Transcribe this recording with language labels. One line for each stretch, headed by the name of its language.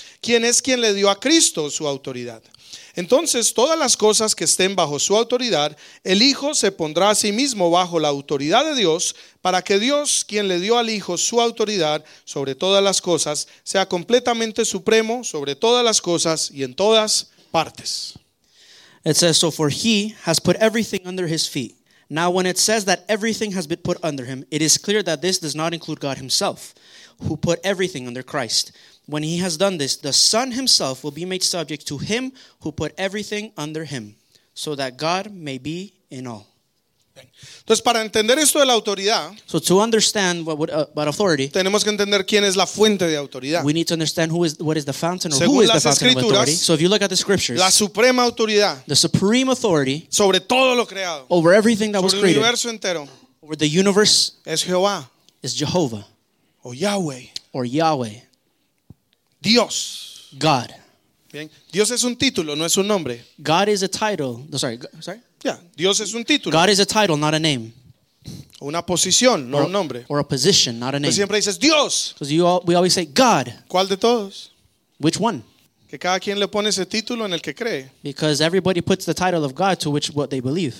Spanish: ¿Quién es quien le dio a Cristo su autoridad? Entonces, todas las cosas que estén bajo su autoridad, el Hijo se pondrá a sí mismo bajo la autoridad de Dios, para que Dios, quien le dio al Hijo su autoridad sobre todas las cosas, sea completamente supremo sobre todas las cosas y en todas partes.
English: It says, so for he has put everything under his feet. Now when it says that everything has been put under him, it is clear that this does not include God himself, who put everything under Christ. When he has done this, the Son himself will be made subject to him who put everything under him, so that God may be in all.
Spanish: Entonces, para entender esto de la autoridad,
English: so to understand what would, about authority,
Spanish: tenemos que entender quién es la fuente de autoridad.
English: We need to understand what is the fountain or
Spanish: según
English: who is
Spanish: las
English: the fountain of authority. So if you look at the scriptures,
Spanish: la suprema autoridad,
English: the supreme authority
Spanish: sobre todo lo creado,
English: over everything that
Spanish: sobre
English: was created,
Spanish: el universo entero,
English: over the universe
Spanish: es Jehová,
English: is Jehovah
Spanish: o Yahweh.
English: Or Yahweh.
Spanish: Dios.
English: God.
Spanish: Bien. Dios es un título, no es un nombre.
English: God is a title. No, sorry.
Spanish: Yeah. Dios es un título.
English: God is a title, not a name.
Spanish: O una posición, no un nombre.
English: Or a position, not a name.
Spanish: Pero siempre dices Dios.
English: Because you all, we always say God.
Spanish: ¿Cuál de todos?
English: Which one?
Spanish: Que cada quien le pone ese título en el que cree.
English: Because everybody puts the title of God to which what they believe.